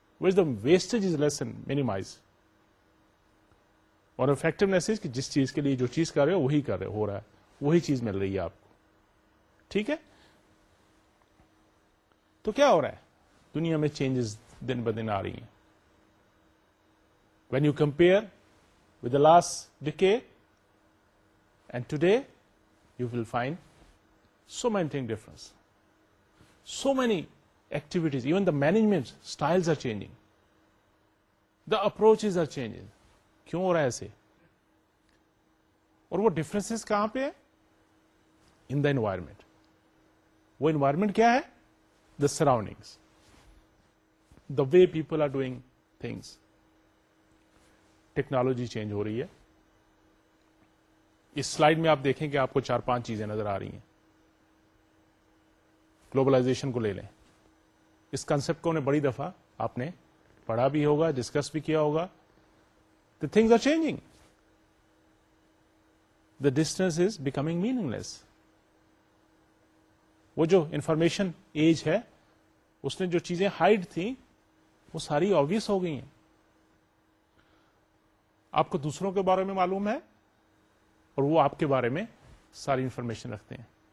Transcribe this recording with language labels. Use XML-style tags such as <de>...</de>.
<en>which the vestige is less and minimise,</en> <ur>اور effectiveness is کہ جس چیز کے لیے جو چیز کر رہے ہو وہی کر رہے ہو رہا ہے, وہی چیز مل رہی ہے آپ کو. ٹھیک ہے, تو کیا ہو رہا ہے, دنیا میں چینجز دن بہ دن آ رہی ہیں.</ur> <en>When you compare with the last decade and today, you will find so many things difference. So many activities, even the management styles are changing. The approaches are changing.</en> <ur>کیوں ہو رہا ہے ایسے, اور وہ differences کہاں پہ ہیں,</ur> <en>in the environment.</en> <ur>وہ environment کیا ہے,</ur> <en>the surroundings, the way people are doing things.</en> <ur>Technology change ہو رہی ہے. اس سلائیڈ میں آپ دیکھیں کہ آپ کو چار پانچ چیزیں نظر آ رہی ہیں. گلوبلائزیشن کو لے لیں, اس کنسپٹ کو انہیں بڑی دفعہ آپ نے پڑھا بھی ہوگا, ڈسکس بھی کیا ہوگا.</ur> <en>The things are changing, the distance is becoming meaningless.</en> <ur>وہ جو انفارمیشن ایج ہے اس نے جو چیزیں ہائڈ تھیں وہ ساری آبویس ہو گئی ہیں. آپ کو دوسروں کے بارے میں معلوم ہے اور وہ آپ کے بارے میں ساری انفارمیشن رکھتے ہیں.</ur>